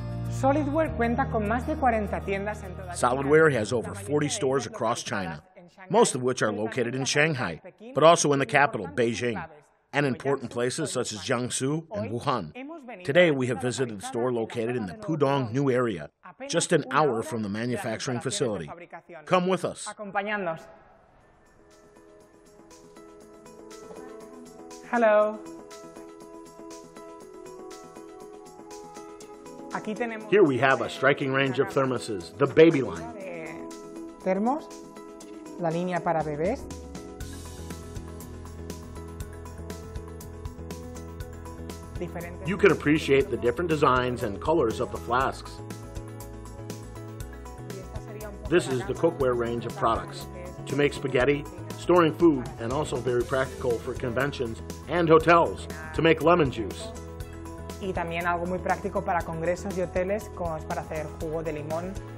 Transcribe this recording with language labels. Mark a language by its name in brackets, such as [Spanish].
[Spanish] Solidware cuenta con más de 40 tiendas en toda [English] Solidware has over 40 stores across China, most of which are located in Shanghai, but also in the capital, Beijing, and important places such as Jiangsu and Wuhan. Today, we have visited a store located in the Pudong New Area, just an hour from the manufacturing facility. Come with us. Hello. Here we have a striking range of thermoses, the baby line. [Spanish] termos, la línea para bebés. [English] You can appreciate the different designs and colors of the flasks. This is the cookware range of products to make spaghetti, storing food, and also very practical for conventions and hotels to make lemon juice. [Spanish] Y también algo muy práctico para congresos y hoteles, como es para hacer jugo de limón.